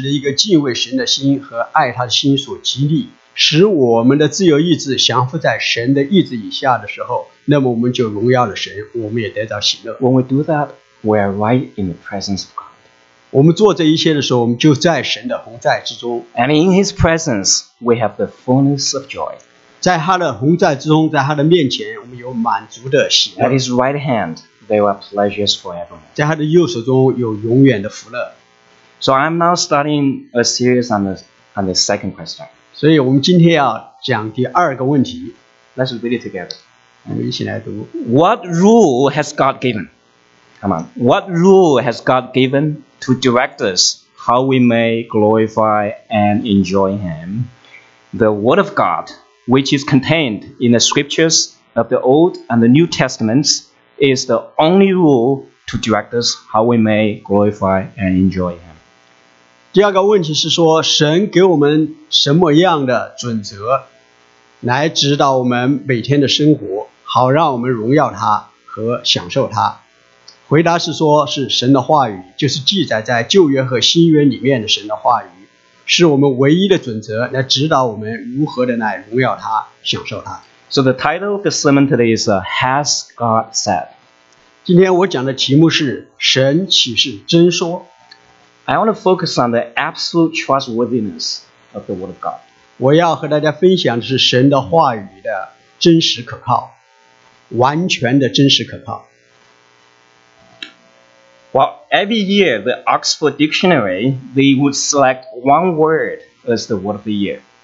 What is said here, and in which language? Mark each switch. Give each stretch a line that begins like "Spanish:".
Chinese: 如果我们为我们里面真实的一个敬畏神的心和爱他的心所激励, 使我们的自由意志降服在神的意志以下的时候, 那么我们就荣耀了神, 我们也得到喜乐。
English: When we do that, we are right in the presence of God.
Chinese: 我们做这一切的时候, 我们就在神的同在之中。
English: And in His presence, we have the fullness of joy.
Chinese: 在他的同在之中, 在他的面前, 我们有满足的喜乐。
English: At His right hand, they were pleasures forevermore.
Chinese: 在他的右手中有永远的福乐。So
English: I'm now starting a series on the second question.
Chinese: 所以我们今天要讲第二个问题。Let's
English: read it together.
Chinese: 我们一起来读。
English: What rule has God given? Come on. What rule has God given to direct us how we may glorify and enjoy Him? The Word of God, which is contained in the Scriptures of the Old and the New Testaments, is the only rule to direct us how we may glorify and enjoy Him.
Chinese: 第二个问题是说, 神给我们什么样的准则, 来指导我们每天的生活, 好让我们荣耀他和享受他。回答是说, 是神的话语, 就是记载在旧约和新约里面的神的话语, 是我们唯一的准则, 来指导我们如何的来荣耀他, 享受他。
English: So the title of the sermon today is Has God Said?
Chinese: 今天我讲的题目是, 神岂是真说?
English: I want to focus on the absolute trustworthiness of the Word of God.
Chinese: 我要和大家分享的是神的话语的真实可靠, 完全的真实可靠。
English: Well, every year, the Oxford Dictionary, they would select one word as the Word of the Year.